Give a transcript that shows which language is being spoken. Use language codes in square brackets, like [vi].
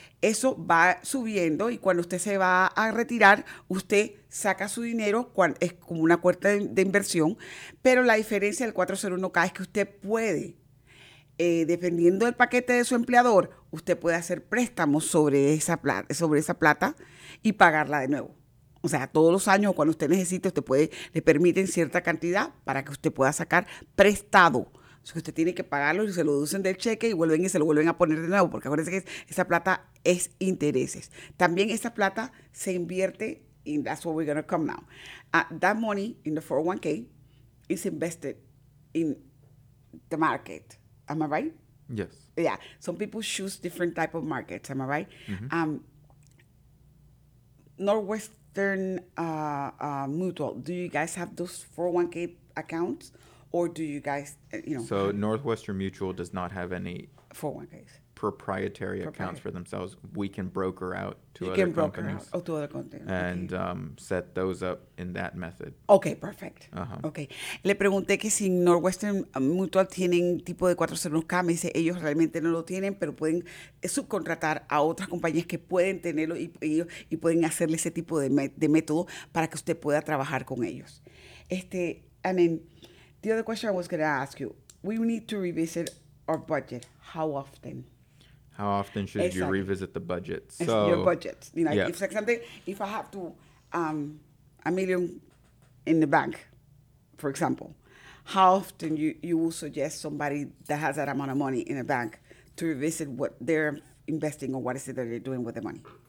[es] Eso va subiendo y cuando usted se va a retirar, usted saca su dinero, es como una cuenta de inversión, pero la diferencia del 401k es que usted puede, dependiendo del paquete de su empleador, usted puede hacer préstamos sobre esa plata y pagarla de nuevo. O sea, todos los años, cuando usted necesite, usted puede, le permiten cierta cantidad para que usted pueda sacar prestado. O sea, que usted tiene que pagarlo y se lo deducen del cheque y vuelven y se lo vuelven a poner de nuevo, porque acuérdense que esa plata es intereses. También esa plata se invierte, [en] and that's what we're going to come now. That money in the 401k is invested in the market. Am I right? Yes. Yeah. Some people choose different type of markets. Am I right? Mm-hmm. Northwestern Mutual, do you guys have those 401k accounts or do you guys, So Northwestern Mutual does not have any 401ks. Proprietary accounts for themselves. We can broker out to other companies. Oh, to other companies. And set those up in that method. Okay, perfect. Uh-huh. Okay. [es] Le pregunté que si Northwestern Mutual tienen tipo de 401k, me dice ellos realmente no lo tienen, pero pueden subcontratar a otras compañías que pueden tenerlo y pueden hacerle ese tipo de método para que usted pueda trabajar con ellos. [en] And then, the other question I was going to ask you, we need to revisit our budget. How often? How often should you revisit the budget? So, your budget. If it's like something, if I have to $1 million in the bank, for example, how often you will suggest somebody that has that amount of money in a bank to revisit what they're investing or what is it that they're doing with the money?